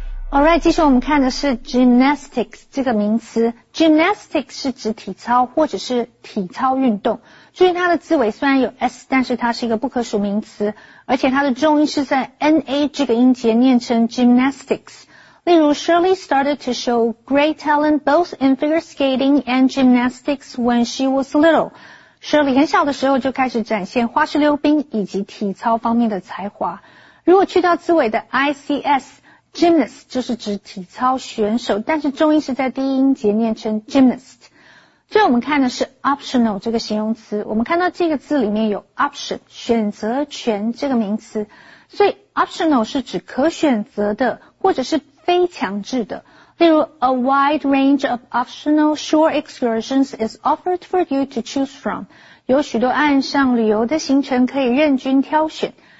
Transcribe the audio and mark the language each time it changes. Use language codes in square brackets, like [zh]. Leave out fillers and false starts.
[en] All right, [zh] 接下来我们看的是 gymnastics 这个名词。 Gymnastics 是指体操或者是体操运动。注意它的字尾虽然有 s， 但是它是一个不可数名词，而且它的重音是在 na 这个音节，念成 gymnastics。例如 [en] ，Shirley started to show great talent both in figure skating and gymnastics when she was little。 [zh] Shirley 很小的时候就开始展现花式溜冰以及体操方面的才华。如果去掉字尾的 ics。Gymnast 就是指体操选手，但是重音是在第一音节，念成 gymnast。最后我们看的是 optional 这个形容词，我们看到这个字里面有 option 选择权这个名词，所以 optional 是指可选择的或者是非强制的。 [en] through a wide range of optional shore excursions is offered for you to choose from. [zh] 有许多岸上旅游的行程可以任君挑选。